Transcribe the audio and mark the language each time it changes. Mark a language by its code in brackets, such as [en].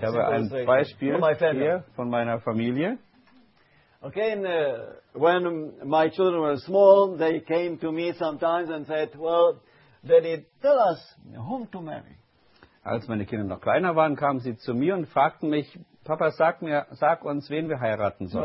[de] Ich habe ein Beispiel hier von meiner Familie. [en] Okay, and when my children were small, they came to me sometimes and said, well, Daddy, tell us whom to marry. [de] Als meine Kinder noch kleiner waren, kamen sie zu mir und fragten mich, Papa, sag uns, wen wir heiraten sollen.